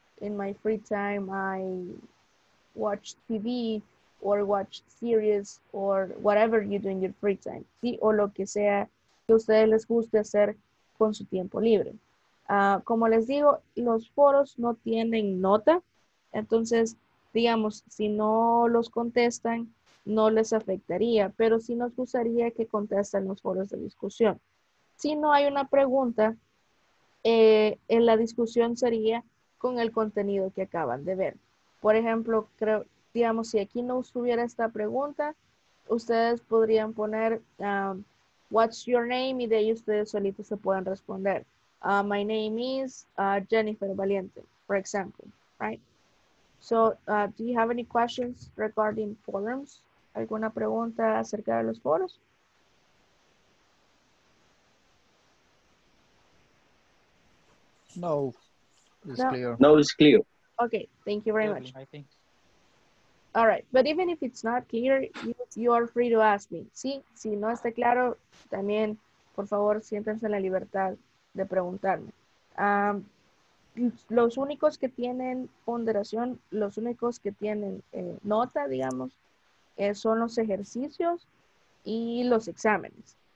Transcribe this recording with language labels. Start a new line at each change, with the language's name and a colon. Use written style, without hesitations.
English: In my free time, I watch TV or watch series or whatever you do in your free time.
Spanish: ¿Sí? O lo que sea que a ustedes les guste hacer con su tiempo libre. Como les digo, los foros no tienen nota. Entonces, digamos, si no los contestan, no les afectaría. Pero sí nos gustaría que contestan los foros de discusión. Si no hay una pregunta, en la discusión sería con el contenido que acaban de ver. Por ejemplo, creo, digamos, si aquí no hubiera esta pregunta, ustedes podrían poner,
English: what's your name?
Spanish: Y de ahí ustedes solitos se pueden responder.
English: My name is Jennifer Valiente, for example, right? So, do you have any questions regarding forums?
Spanish: ¿Alguna pregunta acerca de los foros?
English: No, no, it's clear. Okay, thank you very much. All right, but even if it's not clear, you are free to ask me.
Spanish: Sí, si no está claro, también, por favor, siéntense en la libertad de preguntarme. Los únicos que tienen ponderación, los únicos que tienen nota, digamos, son los ejercicios y los exámenes.